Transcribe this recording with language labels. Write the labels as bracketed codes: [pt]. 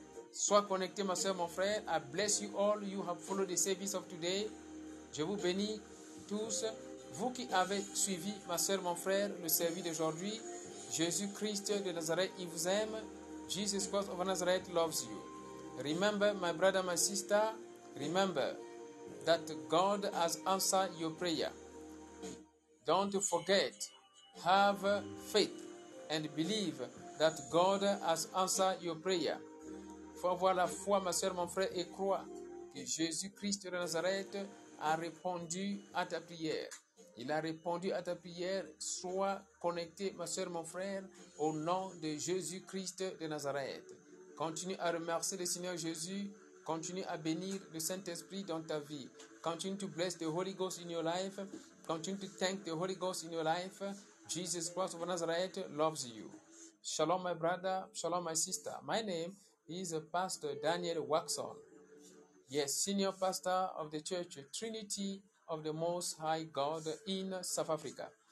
[fr] Sois connecté, ma soeur, mon frère. [en] I bless you all. You have followed the service of today. [fr] Je vous bénis tous. Vous qui avez suivi, ma soeur, mon frère, le service d'aujourd'hui, Jésus-Christ de Nazareth, il vous aime. [en] Jesus Christ of Nazareth loves you. Remember, my brother, my sister, remember that God has answered your prayer. Don't forget, have faith and believe that God has answered your prayer. [fr] Faut avoir la foi, ma soeur, mon frère, et crois que Jésus-Christ de Nazareth a répondu à ta prière. Il a répondu à ta prière. Sois connecté, ma soeur, mon frère, au nom de Jésus-Christ de Nazareth. Continue à remercier le Seigneur Jésus. Continue à bénir le Saint-Esprit dans ta vie. [en] Continue to bless the Holy Ghost in your life. Continue to thank the Holy Ghost in your life. Jesus Christ of Nazareth loves you. Shalom, my brother. Shalom, my sister. My name is Pastor Daniel Waxon. Yes, Senior Pastor of the Church Trinity of the Most High God in South Africa.